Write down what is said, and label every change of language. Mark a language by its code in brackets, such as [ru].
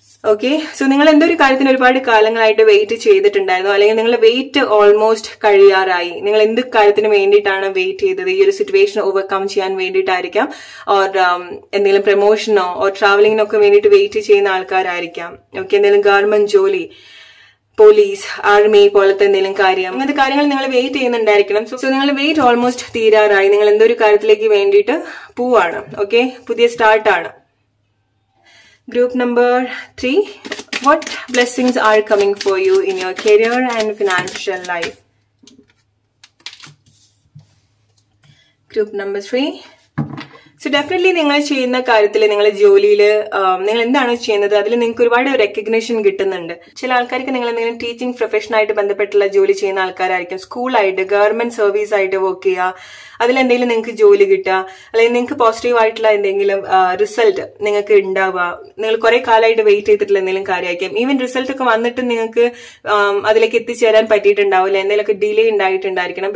[ml] Okay, so നിങ്ങൾ എന്തോ ഒരു കാര്യത്തിന് ഒരുപാട് കാലങ്ങളായിട്ട് വെയിറ്റ് ചെയ്തിട്ടുണ്ടായിരുന്നു, അല്ലെങ്കിൽ നിങ്ങളുടെ വെയിറ്റ് ഓൾമോസ്റ്റ് കഴിയാറായി, നിങ്ങൾ എന്ത് കാര്യത്തിന് വേണ്ടിയിട്ടാണ് വെയിറ്റ് ചെയ്തത്, ഈ ഒരു സിറ്റുവേഷൻ ഓവർകം ചെയ്യാൻ വേണ്ടിയിട്ടായിരിക്കാം, ഓർ എന്തെങ്കിലും പ്രൊമോഷനോ ഓർ ട്രാവലിങ്ങിനൊക്കെ വേണ്ടിയിട്ട് വെയിറ്റ് ചെയ്യുന്ന ആൾക്കാരായിരിക്കാം. ഓക്കെ, എന്തെങ്കിലും ഗവൺമെന്റ് ജോലി, പോലീസ്, ആർമി പോലത്തെ എന്തെങ്കിലും കാര്യം, അങ്ങനത്തെ കാര്യങ്ങൾ നിങ്ങൾ വെയിറ്റ് ചെയ്യുന്നുണ്ടായിരിക്കണം. സോ നിങ്ങളുടെ വെയിറ്റ് ഓൾമോസ്റ്റ് തീരാറായി, നിങ്ങൾ എന്തോ ഒരു കാര്യത്തിലേക്ക് വേണ്ടിയിട്ട് പോവാണ്. ഓക്കെ, പുതിയ സ്റ്റാർട്ടാണ്. [en] Group number 3, what blessings are coming for you in your career and financial life? Group number 3, [ml] so definitely നിങ്ങൾ ചെയ്യുന്ന കാര്യത്തിൽ, നിങ്ങളുടെ ജോലിയിൽ നിങ്ങൾ എന്താണ് ചെയ്യുന്നത്, അതിൽ നിങ്ങൾക്ക് ഒരുപാട് റെക്കഗ്നേഷൻ കിട്ടുന്നുണ്ട്. ചില ആൾക്കാർക്ക് നിങ്ങൾ എന്തെങ്കിലും ടീച്ചിങ് പ്രൊഫഷനായിട്ട് ബന്ധപ്പെട്ടുള്ള ജോലി ചെയ്യുന്ന ആൾക്കാരായിരിക്കും, സ്കൂളായിട്ട് ഗവൺമെന്റ് സർവീസ് ആയിട്ട് വർക്ക് ചെയ്യുക, അതിലെന്തെങ്കിലും നിങ്ങൾക്ക് ജോലി കിട്ടുക, അല്ലെങ്കിൽ നിങ്ങൾക്ക് പോസിറ്റീവ് ആയിട്ടുള്ള എന്തെങ്കിലും റിസൾട്ട് നിങ്ങൾക്ക് ഉണ്ടാവുക, നിങ്ങൾ കുറെ കാലമായിട്ട് വെയിറ്റ് ചെയ്തിട്ടുള്ള എന്തെങ്കിലും കാര്യമായിരിക്കാം, ഈവൻ റിസൾട്ട് ഒക്കെ വന്നിട്ടും നിങ്ങൾക്ക് അതിലേക്ക് എത്തിച്ചേരാൻ പറ്റിയിട്ടുണ്ടാവില്ല, എന്തെങ്കിലുമൊക്കെ ഡിലേ ഉണ്ടായിട്ടുണ്ടായിരിക്കണം.